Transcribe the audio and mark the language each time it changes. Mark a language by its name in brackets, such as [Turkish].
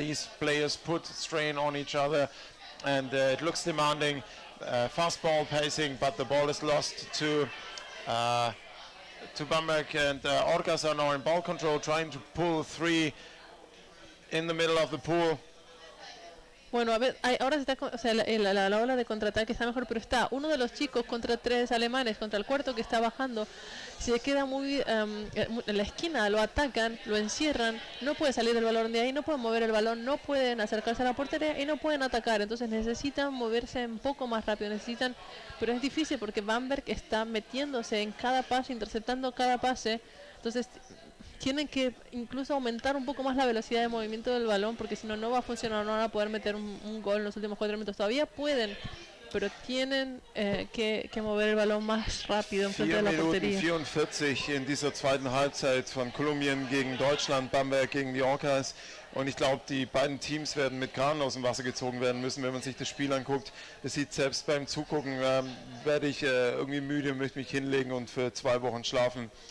[English] These players put strain on each other, and it looks demanding. Fast ball pacing, but the ball is lost to Bamberg, and Orcas are now in ball control, trying to pull three in the middle of the pool. [Spanish] Bueno, a ver, ahora está, o sea, la ola de contraataque está mejor, pero está uno de los chicos contra tres alemanes, contra el cuarto que está bajando, se queda muy en la esquina, lo atacan, lo encierran, no puede salir el balón de ahí, no pueden mover el balón, no pueden acercarse a la portería y no pueden atacar, entonces necesitan moverse un poco más rápido, necesitan, pero es difícil porque Bamberg está metiéndose en cada pase, interceptando cada pase, entonces tienen que incluso aumentar un poco más la velocidad de movimiento del balón, porque si no, no va a funcionar, no van a poder meter un gol en los últimos 4 minutos. Todavía pueden pero tienen que mover el balón más rápido en frente de la portería. [German] 4 Minuten 44 in dieser zweiten Halbzeit von Kolumbien gegen Deutschland, Bamberg gegen die Orcas. Und ich glaube, die beiden Teams werden mit Kran aus dem Wasser gezogen werden müssen, wenn man sich das Spiel anguckt. Es sieht selbst beim Zugucken, werde ich irgendwie müde und möchte mich hinlegen und für 2 Wochen schlafen.